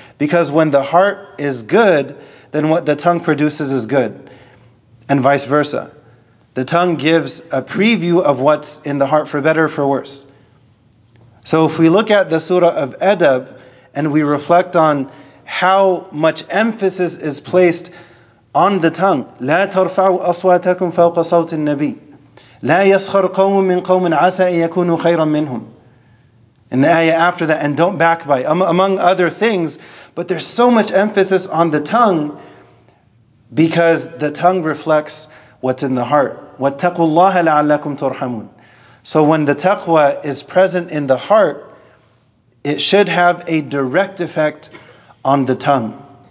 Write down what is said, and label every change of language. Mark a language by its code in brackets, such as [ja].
[en] Because when the heart is good, then what the tongue produces is good. And vice versa. The tongue gives a preview of what's in the heart, for better or for worse. So if we look at the surah of Adab, and we reflect on how much emphasis is placed on the tongue. [ar] لا ترفعوا أصواتكم فوق صوت النبي. لا يسخر قوم من قوم عسى أن يكونوا خيرا منهم. [en] In the ayah after that, and don't backbite, among other things. But there's so much emphasis on the tongue because the tongue reflects what's in the heart. [ar] وَاتَّقُوا اللَّهَ لَعَلَّكُمْ تُرْحَمُونَ. [en] So when the taqwa is present in the heart, it should have a direct effect on the tongue.